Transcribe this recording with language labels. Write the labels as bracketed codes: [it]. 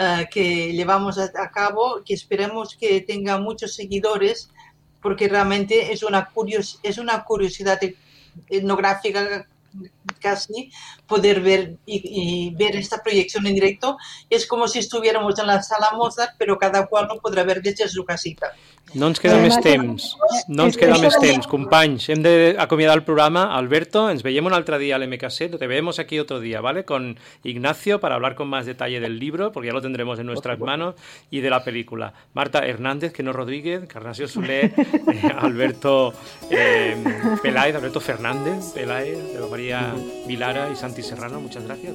[es] que llevamos a cabo, que esperemos que tenga muchos seguidores, porque realmente es una curiosidad etnográfica casi poder ver y ver esta proyección en directo. Es como si estuviéramos en la sala Mozart, pero cada cual lo podrá ver desde su casita. [ca] No ens queda més temps, no ens queda més temps, companys. Hem d'acomiadar el programa, Alberto. Ens veiem un altre dia a l'MKC. [es] Te vemos aquí otro día, ¿vale? Con Ignacio para hablar con más detalle del libro, porque ya lo tendremos en nuestras manos, y de la película. Marta Hernández, que no Rodríguez, Carnacio Solé, Alberto Peláez, Alberto Fernández Peláez, de María Vilara y Santi Serrano. Muchas gracias.